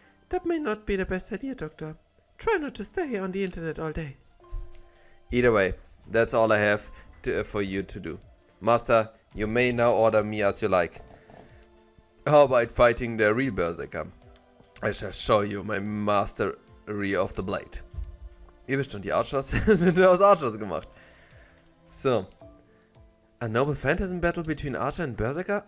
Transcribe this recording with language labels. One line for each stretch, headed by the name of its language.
English: That may not be the best idea, Doctor. Try not to stay on the internet all day. Either way, that's all I have for you to do. Master, you may now order me as you like. How about fighting the real Berserker? I shall show you my mastery of the blade.
German: Ihr wisst schon, die Archers sind aus Archers gemacht.
English: So. A noble phantasm battle between Archer and Berserker?